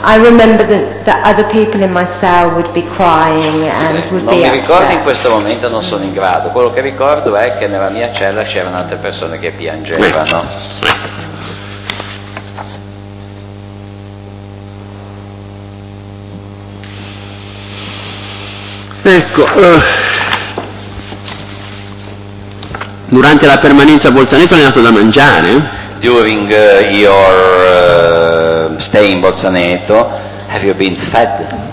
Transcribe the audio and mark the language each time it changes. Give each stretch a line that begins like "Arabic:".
English: I remember that other people in my cell would be crying and would be upset.
Italian: Non mi ricordo in questo momento, non sono in grado. Quello che ricordo è che nella mia cella c'erano altre persone che piangevano. Ecco, durante la permanenza a Bolzaneto è andato da mangiare?
English: During your stay in Bolzaneto, have you been fed?